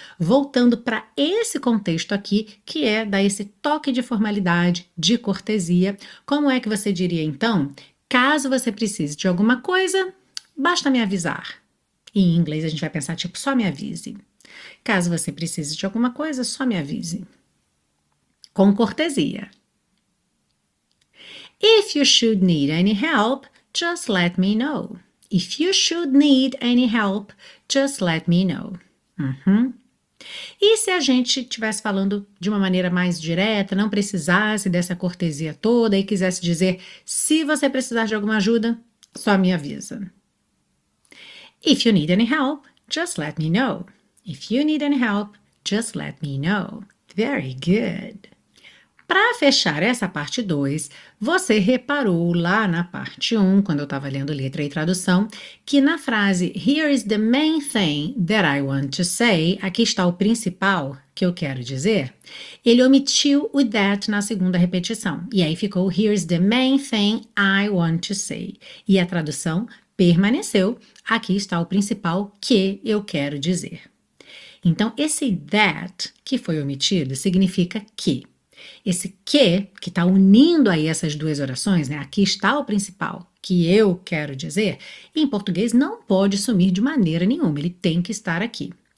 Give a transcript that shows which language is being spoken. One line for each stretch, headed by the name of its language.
Portuguese: Voltando para esse contexto aqui, que é dar esse toque de formalidade, de cortesia, como é que você diria então? Caso você precise de alguma coisa, basta me avisar. E em inglês a gente vai pensar tipo, só me avise. Caso você precise de alguma coisa, só me avise. Com cortesia.
English: If you should need any help, just let me know. If you should need any help, just let me know.
Portuguese: E se a gente estivesse falando de uma maneira mais direta, não precisasse dessa cortesia toda e quisesse dizer: se você precisar de alguma ajuda, só me avisa.
English: If you need any help, just let me know. If you need any help, just let me know. Very good.
Portuguese: Para fechar essa parte 2, você reparou lá na parte 1, quando eu estava lendo letra e tradução, que na frase
English: Here is the main thing that I want to say,
Portuguese: aqui está o principal que eu quero dizer, ele omitiu o that na segunda repetição. E aí ficou
English: Here is the main thing I want to say.
Portuguese: E a tradução permaneceu, aqui está o principal que eu quero dizer. Então, esse that que foi omitido significa que. Esse que está unindo aí essas duas orações, né? Aqui está o principal que eu quero dizer, em português não pode sumir de maneira nenhuma, ele tem que estar aqui.